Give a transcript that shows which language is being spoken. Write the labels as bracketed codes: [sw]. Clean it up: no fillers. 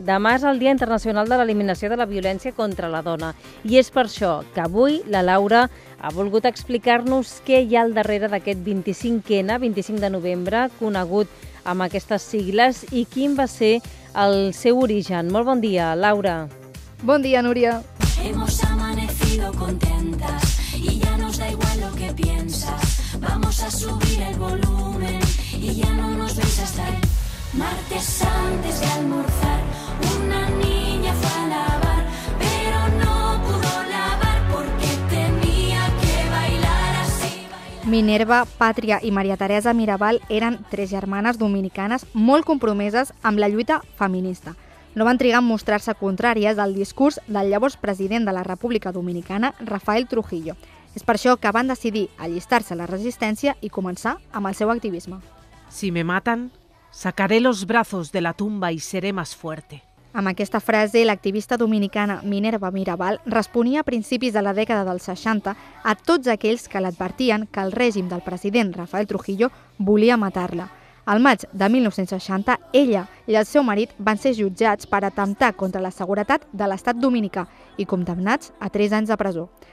[ca] Demà és el Dia Internacional de l'Eliminació de la Violència contra la Dona. I és per això que avui la Laura ha volgut explicar-nos què hi ha al darrere d'aquest 25N, 25 de novembre, conegut amb aquestes sigles, i quin va ser el seu origen. Molt bon dia, Laura. Bon dia, Núria. [es] Hemos amanecido contentas y ya nos da igual lo que piensas. Vamos a subir el volumen y ya no nos ves hasta el martes antes de almorzar. Una niña fue a lavar, pero no pudo lavar porque tenía que bailar así. [ca] Minerva, Pàtria i Maria Teresa Mirabal eren tres germanes dominicanes molt compromeses amb la lluita feminista. No van trigar a mostrar-se contràries al discurs del llavors president de la República Dominicana, Rafael Trujillo. És per això que van decidir allistar-se a la resistència i començar amb el seu activisme. [es] Si me matan, sacaré los brazos de la tumba y seré más fuerte. [ca] Amb aquesta frase, l'activista dominicana Minerva Mirabal responia a principis de la dècada dels 60 a tots aquells que l'advertien que el règim del president Rafael Trujillo volia matar-la. Al maig de 1960, ella i el seu marit van ser jutjats per atemptar contra la seguretat de l'Estat dominicà i condemnats a 3 anys de presó.